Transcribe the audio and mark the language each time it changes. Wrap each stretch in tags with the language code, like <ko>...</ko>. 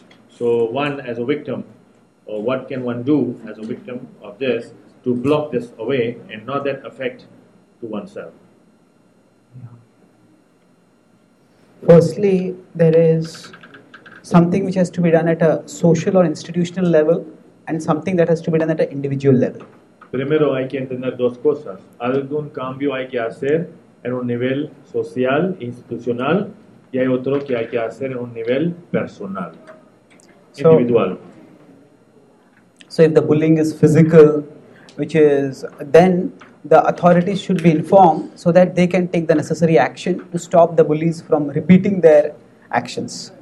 <en>So one, as a victim, or what can one do as a victim of this to block this away and not that effect to oneself? Yeah. Firstly, there is something which has to be done at a social or institutional level and something that has to be done at an individual level.</en> <es>Primero hay que entender dos cosas. Algún cambio hay que hacer en un nivel social, institucional, y hay otro que hay que hacer en un nivel personal, individual.</es> <en>So if the bullying is physical, which is, then the authorities should be informed so that they can take the necessary action to stop the bullies from repeating their actions.</en>